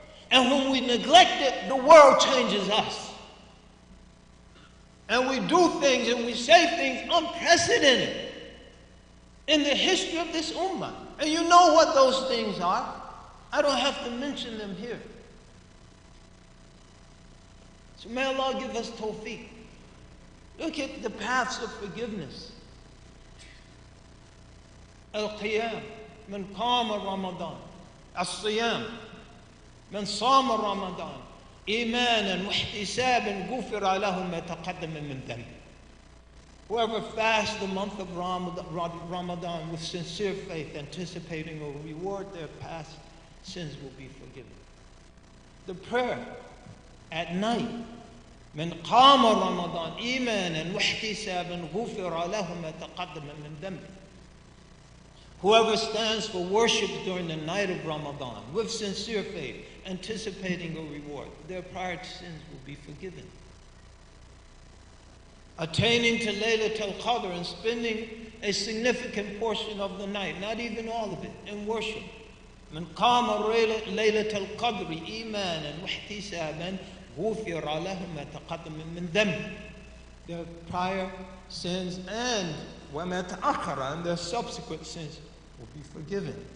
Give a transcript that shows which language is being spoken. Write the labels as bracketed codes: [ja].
[en] And when we neglect it, the world changes us. And we do things and we say things unprecedented in the history of this ummah. And you know what those things are. I don't have to mention them here. So may Allah give us tawfiq. Look at the paths of forgiveness. [ar] Al-Qiyam, من قام رمضان. Al-Siyam, من صام رمضان. إيمانا واحتسابا غفر له ما تقدم من ذنب. [en] Whoever fasts the month of Ramadan with sincere faith, anticipating a reward, their past sins will be forgiven. The prayer at night, [ar] من قام رمضان إيمانا واحتسابا غفر له ما تقدم من ذنب. [en] Whoever stands for worship during the night of Ramadan with sincere faith, anticipating a reward, their prior sins will be forgiven. Attaining to Laylatul Qadr and spending a significant portion of the night, not even all of it, in worship. [ar] من قام ليلة القدر إيمانا واحتسابا غفر له ما تقدم من ذنب. [en] Their prior sins and [ar] وما تأخر, [en] and their subsequent sins will be forgiven.